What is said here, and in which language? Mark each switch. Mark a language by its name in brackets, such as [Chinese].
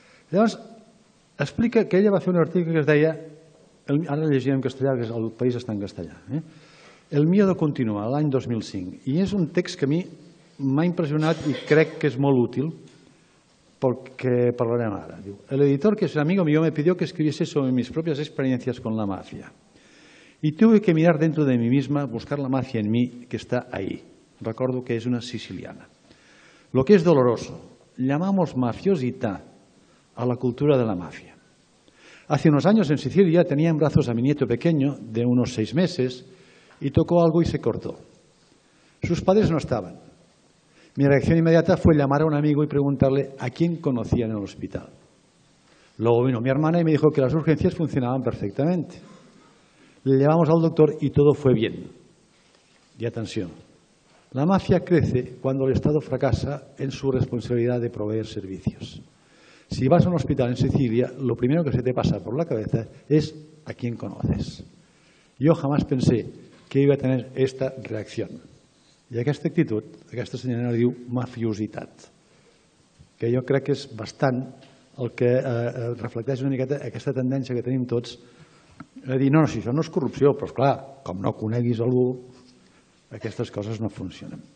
[Catalan] Llavors, explica que ella va fer un article que es deia, ara llegia en castellà, que el país està en castellà, El miedo continua, l'any 2005. I és un text que a mi m'ha impressionat i crec que és molt útil pel que parlarem ara. [Spanish] Diu, el editor, que és un amigo mío, me pidió que escribiese sobre mis propias experiencias con la mafia. Y tuve que mirar dentro de mí misma, buscar la mafia en mí, que está ahí. [Catalan] Recordo que és una siciliana. [Spanish] Lo que es doloroso, llamamos mafiosita a la cultura de la mafia. Hace unos años en Sicilia tenía en brazos a mi nieto pequeño de unos 6 meses y tocó algo y se cortó. Sus padres no estaban. Mi reacción inmediata fue llamar a un amigo y preguntarle a quién conocía en el hospital. Luego vino mi hermana y me dijo que las urgencias funcionaban perfectamente. Le llevamos al doctor y todo fue bien. Y atención, la mafia crece cuando el Estado fracasa en su responsabilidad de proveer servicios. Si vas a un hospital en Sicilia, lo primero que se te pasa por la cabeza es a quién conoces. Yo jamás pensé que iba a tener esta reacción. [Catalan] Y aquesta actitud, aquesta senyora diu mafiositat, que jo crec que és bastant el que reflecteix una miqueta aquesta tendència que tenim tots a dir, no, si això no és corrupció, però esclar, com no coneguis algú, aquestes coses no funcionen.